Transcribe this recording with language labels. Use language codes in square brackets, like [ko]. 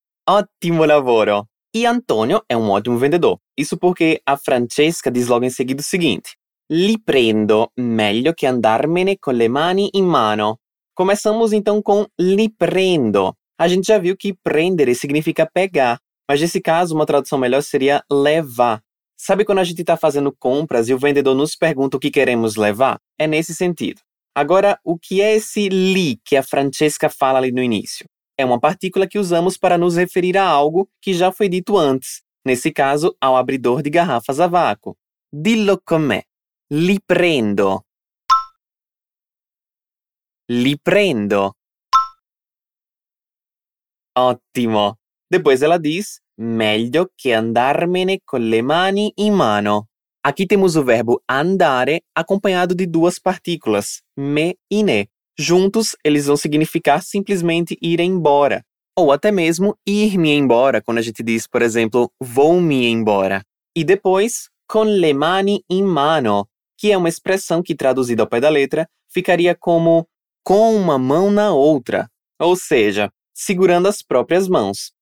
[it] Ottimo lavoro! E Antonio è un ottimo venditore. Isso perché a Francesca dice logo in seguito il seguente. Li prendo, meglio che andarmene con le mani in mano. [pt] Começamos então com [it] li prendo. [pt] A gente já viu que prendere significa pegar, mas nesse caso uma tradução melhor seria levar. Sabe quando a gente está fazendo compras e o vendedor nos pergunta o que queremos levar? É nesse sentido. Agora, o que é esse li que a Francesca fala ali no início? É uma partícula que usamos para nos referir a algo que já foi dito antes, nesse caso, ao abridor de garrafas a vácuo. [it] Dillo con me. Li prendo. Li prendo. Ottimo. [pt] Depois ela diz, [it] meglio che andarmene con le mani in mano. [pt] Aqui temos o verbo andare acompanhado de duas partículas, me e ne. Juntos, eles vão significar simplesmente ir embora. Ou até mesmo ir-me embora, quando a gente diz, por exemplo, vou-me embora. E depois, [it] con le mani in mano, [pt] que é uma expressão que, traduzida ao pé da letra, ficaria como com uma mão na outra, ou seja, segurando as próprias mãos.